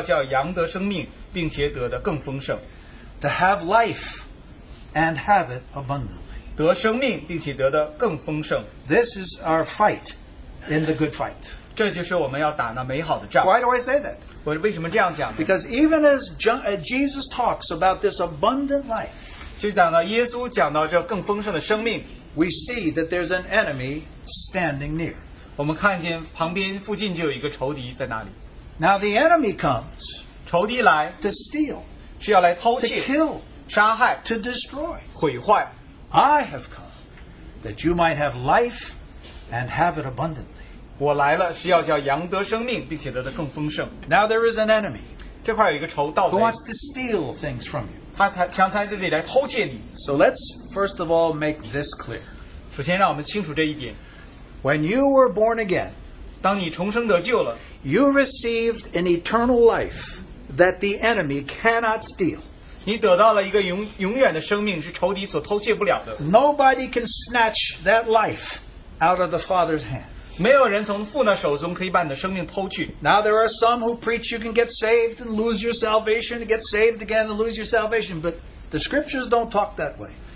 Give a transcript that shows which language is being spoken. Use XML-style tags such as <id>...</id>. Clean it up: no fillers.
<zh>讲盗贼来无非要偷窃杀害毁坏，我来了是要叫羊得生命并且得的更丰盛。</zh> <en>To have life and have it abundantly.</en> <zh>得生命并且得的更丰盛.</zh> <en>This is our fight in the good fight.</en> <zh>这就是我们要打那美好的仗.</zh> <en>Why do I say that?</en> <zh>我为什么这样讲呢?</zh> <en>Because even as Jesus talks about this abundant life,</en> <zh>就讲到耶稣讲到这更丰盛的生命,</zh> <en>we see that there's an enemy standing near.</en> <zh>我们看见旁边附近就有一个仇敌在那里.</zh> <en>Now the enemy comes,</en> <zh>仇敌来,</zh> <en>to steal,</en> <zh>是要来偷窃,</zh> <en>to kill,</en> <zh>杀害,</zh> <en>to destroy,</en> <zh>毁坏.</zh> <en>I have come that you might have life and have it abundantly.</en> <zh>我来了是要叫羊得生命并且得的更丰盛.</zh> <en>Now there is an enemy.</en> <zh>这块有一个仇盗贼.</zh> <en>Who wants to steal things from you?</en> <zh>他想在这里来偷窃你.</zh> <en>So let's first of all make this clear.</en> <zh>首先让我们清楚这一点.</zh> <en>When you were born again,</en> <zh>当你重生得救了,</zh> <en>you received an eternal life that the enemy cannot steal.</en> <zh>你得到了一个永远的生命是仇敌所偷窃不了的.</zh> <en>Nobody can snatch that life out of the Father's hand.</en> <zh>没有人从父那手中可以把你的生命偷去.</zh> <en>Now there are some who preach you can get saved and lose your salvation and get saved again and lose your salvation, but the scriptures don't talk that way.</en>